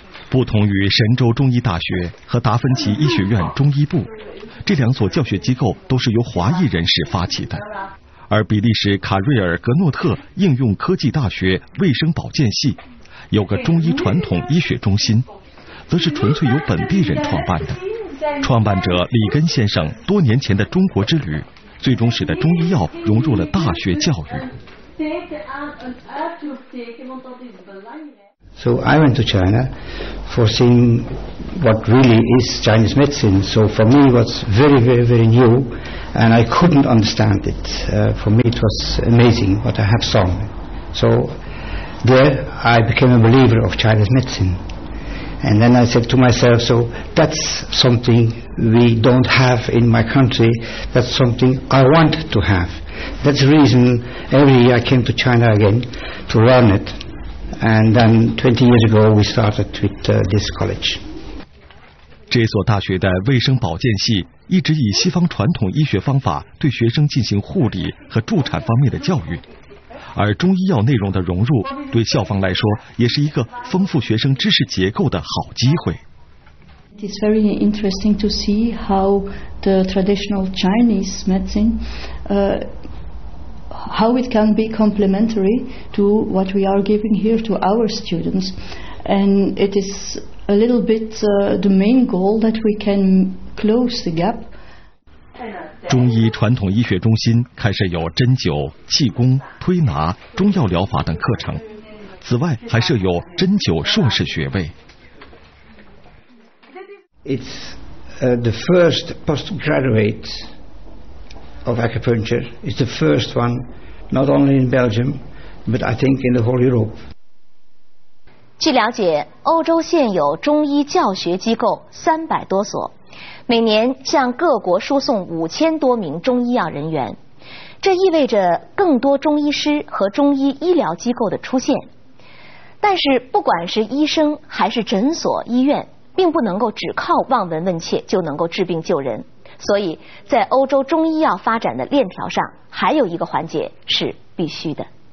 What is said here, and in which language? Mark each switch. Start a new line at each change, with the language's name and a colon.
Chinese: 不同于神州中医大学和达芬奇医学院中医部，这两所教学机构都是由华裔人士发起的，而比利时卡瑞尔格诺特应用科技大学卫生保健系有个中医传统医学中心，则是纯粹由本地人创办的。创办者李根先生多年前的中国之旅，最终使得中医药融入了大学教育。
English: So I went to China for seeing what really is Chinese medicine. So for me, it was very, very, very new, and I couldn't understand it. For me, it was amazing what I have seen. So. There I became a believer of Chinese medicine. And then I said to myself, so that's something we don't have in my country. That's something I want to have. That's the reason every year I came to China again to learn it. And then 20 years ago we started with this college.
Chinese: 这所大学的卫生保健系一直以西方传统医学方法对学生进行护理和助产方面的教育。而中医药内容的融入对校方来说也是一个丰富学生知识结构的好机会。
English: It is very interesting to see how the traditional Chinese medicine how it can be complementary to what we are giving here to our students, and it is a little bit the main goal that we can close the gap.
Chinese: 中医传统医学中心开设有针灸、气功、推拿、中药疗法等课程，此外还设有针灸硕士学位。
English: It's the first postgraduate of acupuncture. It's the first one, not only in Belgium, but I think in the whole Europe.
Chinese: 据了解，欧洲现有中医教学机构300多所，每年向各国输送5000多名中医药人员，这意味着更多中医师和中医医疗机构的出现。但是，不管是医生还是诊所、医院，并不能够只靠望闻问切就能够治病救人，所以在欧洲中医药发展的链条上，还有一个环节是必须的。